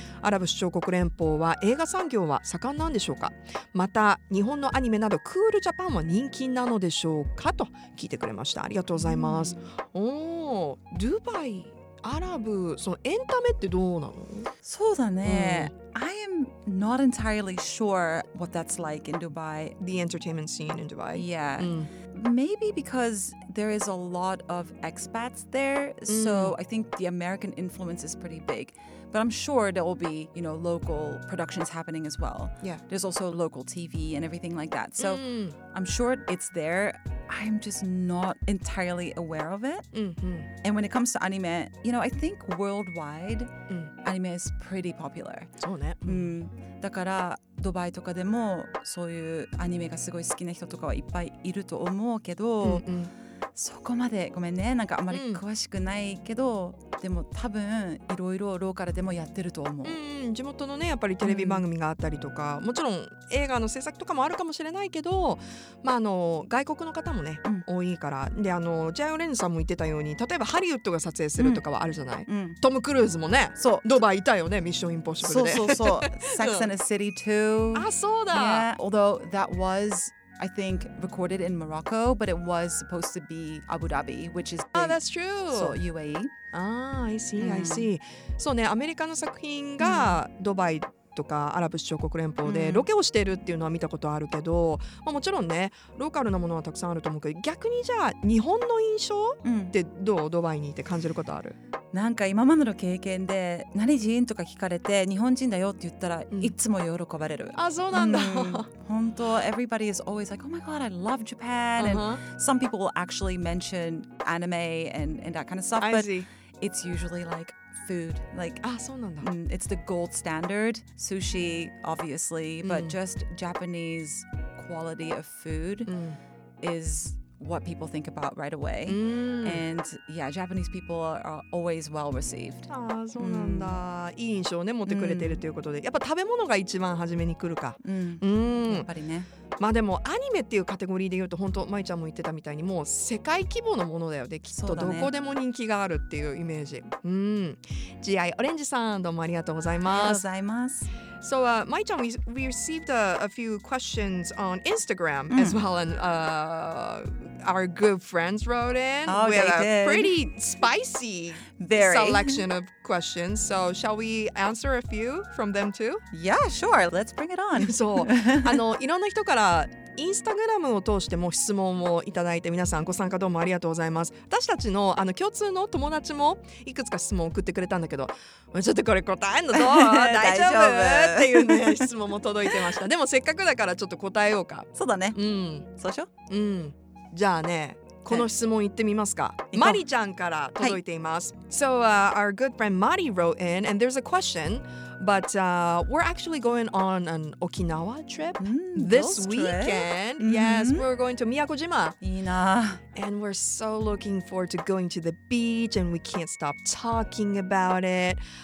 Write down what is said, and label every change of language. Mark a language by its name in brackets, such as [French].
[Japanese] アラブ首長国連邦は映画産業は盛んなんでしょうか？また日本のアニメなどクールジャパンは人気なのでしょうか？と聞いてくれました。ありがとうございます。おー、ドバイ、アラブ、そのエンタメってどうなの？そうだね。 [English] I am not entirely sure what that's like in Dubai. The entertainment scene in Dubai. Yeah. Maybe because there is a lot of expats there. So I think the American influence is pretty big. But I'm sure there will be, you know, local productions happening as well. Yeah. There's also local TV and everything like that. So I'm sure it's there. I'm just not entirely aware of it. And when it comes to anime, you know, I think worldwide, anime is pretty popular. [Japanese] そうね。だからドバイとかでもそういうアニメがすごい好きな人とかはいっぱいいると思うけど、そこまでごめんね、なんかあまり詳しくないけど、でも多分いろいろローカルでもやってると思う。地元のね、やっぱりテレビ番組があったりとか、もちろん映画の制作とかもあるかもしれないけど、まあ外国の方もね、多いから。で、ジャイオレンジさんも言ってたように、例えばハリウッドが撮影するとかはあるじゃない。トム・クルーズもね、そうドバイいたよね、ミッション・インポッシブルで。そうそうそう、サックス・イン・ザ・シティ2。あ、そうだ。 [English] Yeah, although that wasI think recorded in Morocco, but it was supposed to be Abu Dhabi, which is big. Oh, that's true. So UAE. Ah, I see, I see. [Japanese] So, ね、アメリカの作品がドバイとかアラブ首長国連邦でロケをしているっていうのは見たことあるけど、まあ、もちろんね、ローカルなものはたくさんあると思うけど、逆にじゃあ日本の印象ってどう、ドバイにいて感じることある？なんか今までの経験で何人とか聞かれて日本人だよって言ったらいつも喜ばれる。あ、そうなんだ。本当、 [English] everybody is always like, oh my god, I love Japan. And some people will actually mention anime and that kind of stuff. But it's usually like food. Like, [Japanese] あ、そうなんだ。 [English] It's the gold standard. Sushi, obviously. But just Japanese quality of food is... what people think about right away. And yeah, Japanese people are always well received. [Japanese] ああ、そうなんだ。いい印象をね、持ってくれてるということで。やっぱ食べ物が一番初めに来るか。やっぱりね。まあでもアニメっていうカテゴリーで言うと、本当まいちゃんも言ってたみたいに、もう世界規模のものだよね、きっと。どこでも人気があるっていうイメージ。 GI オレンジさん、どうもありがとうございます。ありがとうございます。 [English] So, Mai-chan, we received a few questions on Instagram as well, and our good friends wrote in with a pretty spicy selection of questions, so shall we answer a few from them too? Yeah, sure. Let's bring it on. [Japanese] そう、あの、いろんな人からインスタグラムを通しても質問をいただいて、皆さんご参加どうもありがとうございます。私たち の, あの共通の友達もいくつか質問を送ってくれたんだけど、ちょっとこれ答えんのどう大丈夫っていう、ね、質問も届いてました。でもせっかくだからちょっと答えようか。そうだね、うん、そうしよう、うん、じゃあね、この質問行ってみますか。マリちゃんから届いています、はい、 [English] So our good friend Mari wrote in and there's a questionBut we're actually going on an Okinawa trip this weekend. Trip? Yes, we're going to Miyakojima. [Japanese] いいな。 [English] And we're so looking forward to going to the beach and we can't stop talking about it.